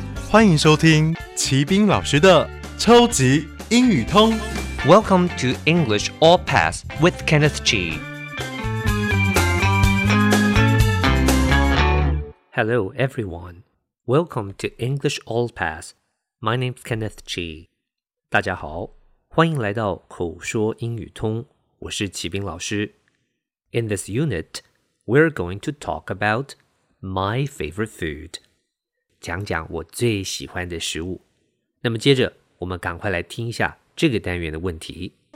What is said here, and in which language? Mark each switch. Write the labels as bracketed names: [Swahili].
[Chinese] 欢迎收听齐斌老师的超级英语通。 [English] Welcome to English All Pass with Kenneth Chi. Hello, everyone. Welcome to English All Pass. My name is Kenneth Chi. [Chinese] 大家好，欢迎来到口说英语通。我是齐斌老师。 [English] In this unit, we're going to talk about my favorite food. [Chinese] 讲讲我最喜欢的食物。那么接着，我们赶快来听一下这个单元的问题。